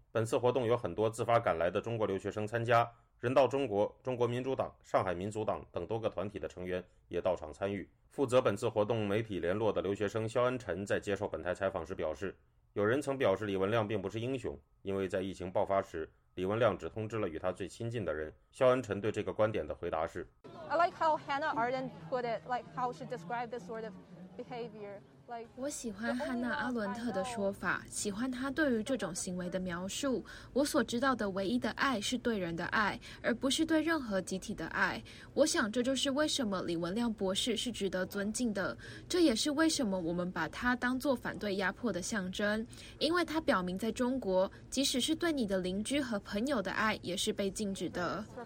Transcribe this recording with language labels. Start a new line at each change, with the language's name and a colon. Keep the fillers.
Chinese: 本次活动有很多自发赶来的中国留学生参加，人道中国、中国民主党、上海民主党等多个团体的成员也到场参与。负责本次活动媒体联络的留学生肖恩辰在接受本台采访时表示，有人曾表示李文亮并不是英雄，因为在疫情爆发时。李文亮只通知了与他最亲近的人肖恩晨对这个观点的回答是
English: i like how hannah arden put it like how she described this sort of behavior
Chinese: 我喜欢汉娜·阿伦特的说法，喜欢她对于这种行为的描述。我所知道的唯一的爱是对人的爱，而不是对任何集体的爱。我想这就是为什么李文亮博士是值得尊敬的，这也是为什么我们把他当作反对压迫的象征，因为他表明在中国，即使是对你的邻居和朋友的爱也是被禁止的。